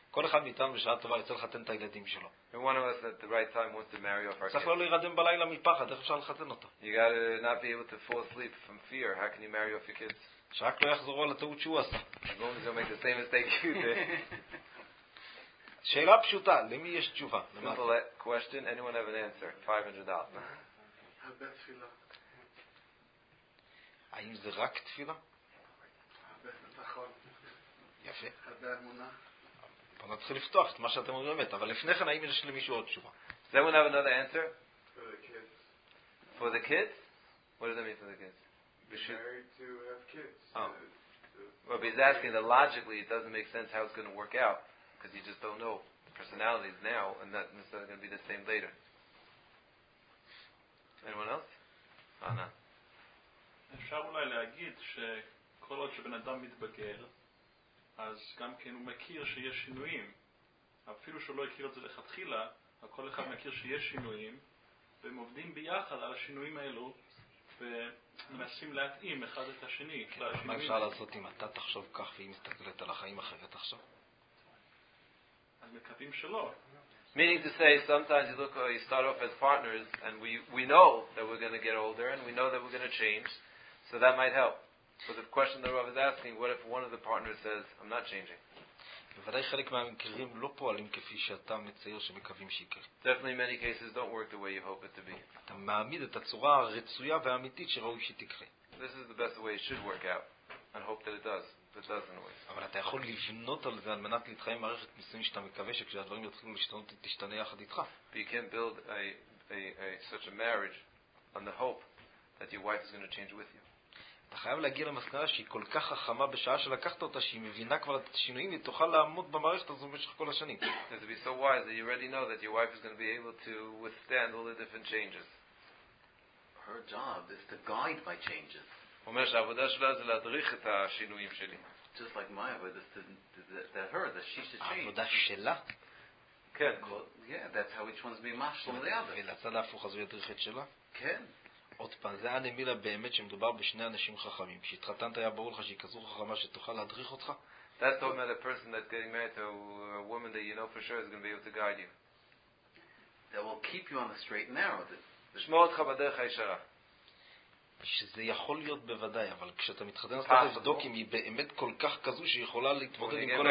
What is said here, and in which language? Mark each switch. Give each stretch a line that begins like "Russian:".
Hebrew: כל אחד מאיתנו בשעה טובה יצא לחתן את הילדים שלו.
English: And one of us at the right time wants to marry off our kids.
Hebrew: צריך לא להירדם בלילה מפחד, איך אפשר לחתן אותו?
English: You got to not be able to fall asleep from fear. How can you marry off your kids?
Hebrew: שרק לא יחזרו על הטעות שהוא עשה.
English: As long as you make the same mistake you did.
Hebrew: שאלה פשוטה, למי יש תשובה?
English: Simple question, anyone have an answer? $500.
Hebrew: הרבה תפילה. האם זה רק תפילה? הרבה, נכון. יפה. הרבה אמונה. בוא נתחיל לפתוח את מה שאתם אומרים באמת, אבל לפני כן, האם יש למישהו עוד תשובה?
English: Does anyone have another answer? For the kids. For the kids? What does that mean for the kids? Married to have kids. Oh. Well, he's asking that logically it doesn't make sense how it's going to work out because you just don't know the personalities now and that it's not going to be the same later. Anyone else? Anna.
Hebrew: אפשר אולי להגיד שכל עוד שבן אדם מתבגר אז גם כן הוא מכיר שיש שינויים אפילו שהוא לא הכיר את זה לכתחילה הכל אחד מכיר שיש שינויים והם עובדים ביחד על השינויים האלו ומנסים להתאים אחד את השני. מה אפשר לעשות אם אתה תחשוב כך והיא מסתכלת על החיים אחרת עכשיו? אז מקווים שלא.
English: Meaning to say, sometimes you look, you start off as partners, and we know that we're going to get older, and we know that we're going to change, so that might help. But the question the Rav is asking, what if one of the partners says, I'm not changing?
Hebrew: בוודאי חלק מהמקרים לא פועלים כפי שאתה מצייר שמקווים שיקרה.
English: Definitely many cases don't work the way you hope it to be.
Hebrew: אתה מעמיד את הצורה הרצויה והאמיתית שראוי שתקרה.
English: This is the best way it should work out. And hope that it does. But it doesn't always.
Hebrew: אבל אתה יכול לבנות על זה על מנת להתחיל מערכת נישואים שאתה מקווה שכשהדברים יתחילים להשתנות תשתנה יחד איתך.
English: But you can't build such a marriage on the hope that your wife is going to change with you.
Hebrew: אתה חייב להגיע למסקנה שהיא כל כך חכמה בשעה שלקחת אותה שהיא מבינה כבר את השינויים והיא תוכל לעמוד במערכת הזו במשך כל השנים.
English: It's to be so wise that you already know that your wife is going to be able to withstand all the different changes. Her job is to guide my changes.
Hebrew: הוא אומר שהעבודה שלה זה להדריך את השינויים שלי.
English: Just like my wife is to her, that she should change.
Hebrew: העבודה שלה? כן.
English: Yeah, that's how each one's being mashed from the other.
Hebrew: ולצד ההפוך הזו ידריך את שלה? כן. עוד פעם, זה היה נמילה באמת שמדובר בשני אנשים חכמים. כשהתחתנת היה ברור לך שהיא כזו חכמה שתוכל להדריך אותך?
English: That's the only person that getting married to a woman that you know for sure is going to be able to guide you. That will keep you on the straight and narrow.
Hebrew: לשמור אותך בדרך הישרה. שזה יכול להיות בוודאי, אבל כשאתה מתחתן, אז אתה תבדוק אם היא באמת כל כך כזו שיכולה להתמודד עם כל